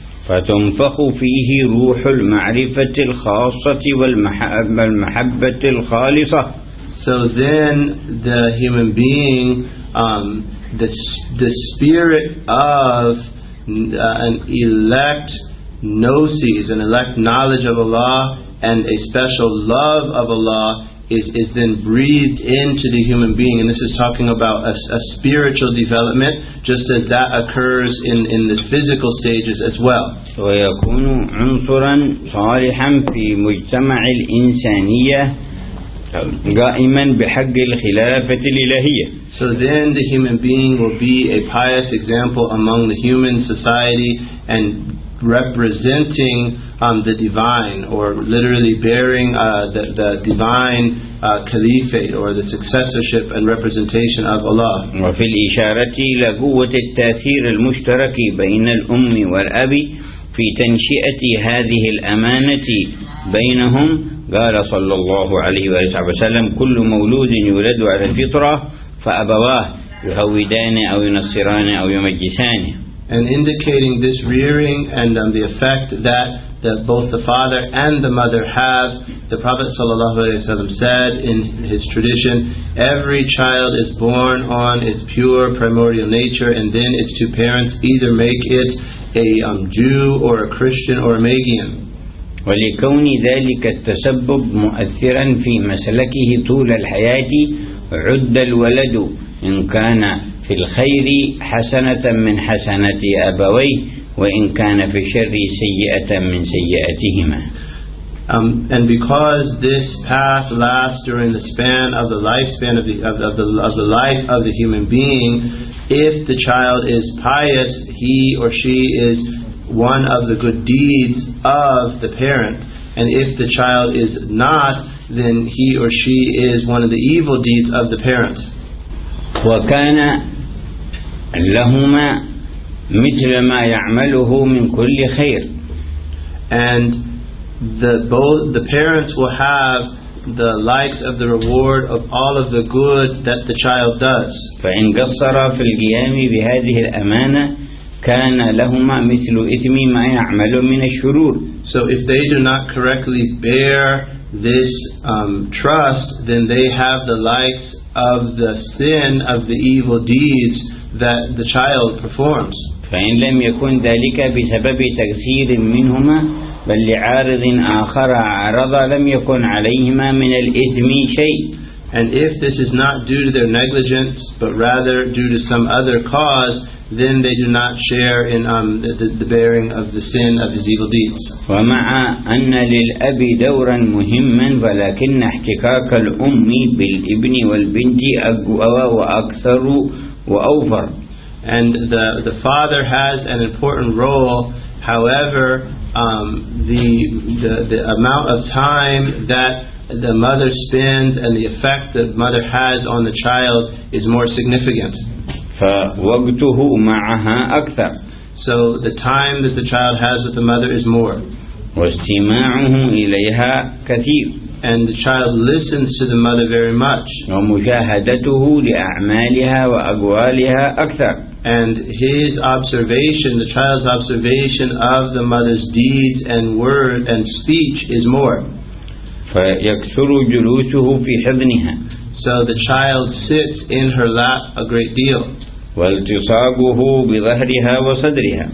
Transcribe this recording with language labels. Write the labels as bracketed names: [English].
[Arabic] فتنفخ فيه روح المعرفة الخاصة والمحبة الخالصة. [English] So then the human being, the spirit of an elect gnosis, an elect knowledge of Allah, and a special love of Allah is then breathed into the human being. And this is talking about a spiritual development, just as that occurs in the physical stages as well. [Arabic] وَيَكُونُ عُنْصُرًا صَالِحًا فِي مُجْتَمَعِ الْإِنسَانِيَّةِ قَائِمًا بِحَقِّ الْخِلَافَةِ الْإِلَهِيَّةِ. [English] So then the human being will be a pious example among the human society and representing the divine, or literally bearing the divine caliphate or the successorship and representation of Allah. [Arabic] وفي الإشارة إلى قوة التأثير المشترك بين الأم والأب في تنشئة هذه الأمانة بينهم قال صلى الله عليه وسلم كل مولود يولد على الفطرة فأبواه يهودان أو ينصران أو يمجسان. [English] And indicating this rearing and the effect that both the father and the mother have, the Prophet ﷺ said in his tradition, every child is born on its pure primordial nature, and then its two parents either make it a Jew or a Christian or a Magian. [Arabic] ولكون ذلك التسبب مؤثرا في مسلكه طول الحياة عد الولد إن كان في الخير حسنة من حسنة أبويه وإن كان في الشر سيئة من سيئتهما. [English] And because this path lasts during the span of the lifespan of the life of the human being, if the child is pious, he or she is one of the good deeds of the parent, and if the child is not, then he or she is one of the evil deeds of the parent. [Arabic] وكان لهما مثل ما يعمله من كل خير. [English] And the parents will have the likes of the reward of all of the good that the child does. [Arabic] فإن قصر في القيام بهذه الأمانة كان لهما مثل إثم ما يعمل من الشرور. [English] So if they do not correctly bear this trust, then they have the likes of the sin of the evil deeds that the child performs. [Arabic] فإن لم يكن ذلك بسبب تقصير منهما بل لعارض آخر عرض لم يكن عليهما من الإثم شيء. [English] And if this is not due to their negligence but rather due to some other cause, then they do not share in the bearing of the sin of his evil deeds. [Arabic] ومع أن للأبي دورا مهما ولكن احتكاك الأم بالابن والبنت أقوى وأكثر وأوفر. [English] And the father has an important role, however the amount of time that the mother spends and the effect that the mother has on the child is more significant. [Arabic] فوقته معها أكثر. [English] So the time that the child has with the mother is more. [Arabic] واستماعه إليها كثير. [English] And the child listens to the mother very much. [Arabic] ومشاهدته لأعمالها وأقوالها أكثر. [English] And his observation, the child's observation of the mother's deeds and word and speech is more. [Arabic] فيكثر جلوسه في حضنها. [English] So the child sits in her lap a great deal. [Arabic] والتصاقه بظهرها وصدرها.